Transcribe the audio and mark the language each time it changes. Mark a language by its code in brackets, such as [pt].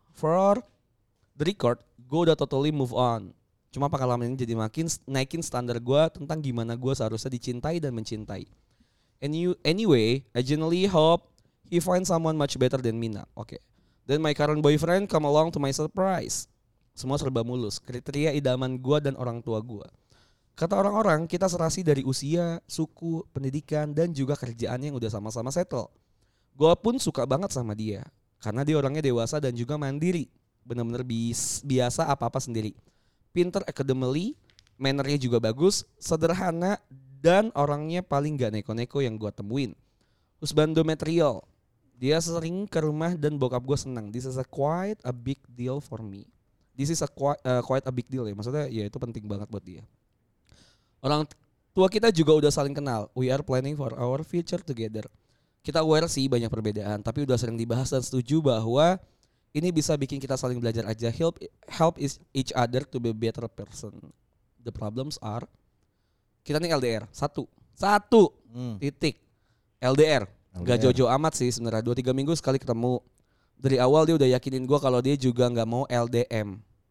[en] For the record, [id] gue udah [en] totally move on. [id] Cuma pengalaman ini jadi makin naikin standar gue tentang gimana gue seharusnya dicintai dan mencintai. [en] Anyway, I genuinely hope he finds someone much better than me now. Okay. Then my current boyfriend come along to my surprise. [id] Semua serba mulus. Kriteria idaman gue dan orang tua gue. Kata orang-orang, kita serasi dari usia, suku, pendidikan, dan juga kerjaan yang udah sama-sama settle. Gue pun suka banget sama dia. Karena dia orangnya dewasa dan juga mandiri. Benar-benar biasa apa-apa sendiri. Pinter academically, mannernya juga bagus, sederhana, dan orangnya paling gak neko-neko yang gue temuin. [en] Husbando material. [id] Dia sering ke rumah dan bokap gue senang. [en] This is a quite a big deal for me. This is a quite a big deal ya. [id] Maksudnya ya itu penting banget buat dia. Orang tua kita juga udah saling kenal. [en] We are planning for our future together. [id] Kita aware sih banyak perbedaan. Tapi udah sering dibahas dan setuju bahwa ini bisa bikin kita saling belajar aja. [en] Help each other to be a better person. The problems are. [id] Kita nih LDR. Satu. Titik. LDR. Gak jojo amat sih sebenarnya. 2-3 minggu sekali ketemu. Dari awal dia udah yakinin gue kalau dia juga gak mau LDM.